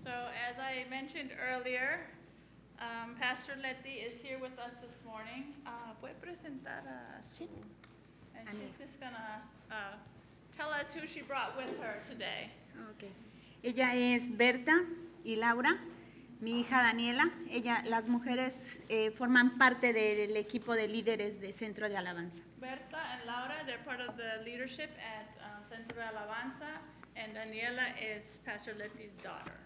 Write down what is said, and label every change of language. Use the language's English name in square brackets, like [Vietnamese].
[English] I mentioned earlier, Pastor Leti is here with us this morning. [Spanish] Puede presentar a su. [English] And Amen. She's just going to tell us who she brought with her today. Okay. [Spanish] Ella es Berta y Laura, mi hija Daniela. Ella, las mujeres forman parte del equipo de líderes de Centro de Alabanza. [English] Berta and Laura, they're part of the leadership at Centro de Alabanza. And Daniela is Pastor Leti's daughter.